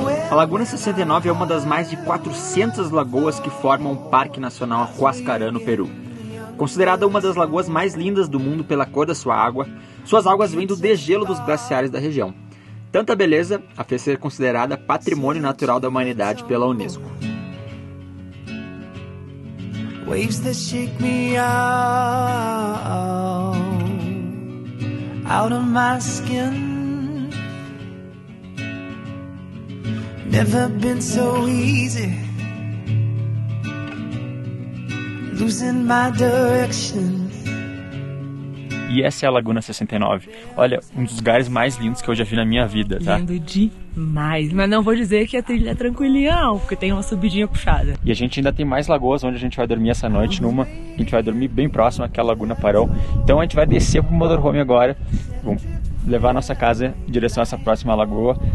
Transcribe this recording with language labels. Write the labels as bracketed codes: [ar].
[pt] A Laguna 69 é uma das mais de 400 lagoas que formam o Parque Nacional Huascarán no Peru. Considerada uma das lagoas mais lindas do mundo pela cor da sua água, suas águas vêm do degelo dos glaciares da região. Tanta beleza a fez ser considerada Patrimônio Natural da Humanidade pela Unesco. [en] Waves that shake me out of my skin. Never been so easy losing my direction. [pt] E essa é a Laguna 69. Olha, um dos lugares mais lindos que eu já vi na minha vida, tá? Lindo demais. Mas não vou dizer que a trilha é tranquilinha, não, porque tem uma subidinha puxada. E a gente ainda tem mais lagoas onde a gente vai dormir essa noite. Numa, a gente vai dormir bem próximo àquela Laguna Parão. Então a gente vai descer pro motorhome agora. Vamos levar a nossa casa em direção a essa próxima lagoa.